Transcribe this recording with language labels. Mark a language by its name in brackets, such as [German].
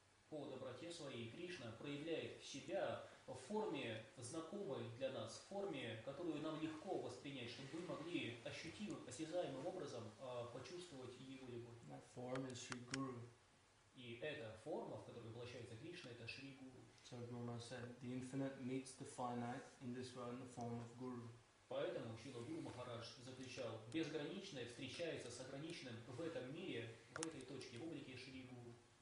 [Russian] По доброте своей Кришна проявляет себя в форме знакомой для нас, в форме, которую нам легко воспринять, чтобы мы могли ощутимым, осязаемым образом почувствовать его любовь. [English] That form is Sri Guru. [Russian] И эта форма, в которой воплощается Кришна, это Шри Гуру. [English] So Guru said, the infinite meets the finite in this world in the form of Guru. [Russian] Поэтому Шрила Гуру Махарадж заключал, безграничное встречается с ограниченным в этом мире, в этой точке, в облике Шри Гуру.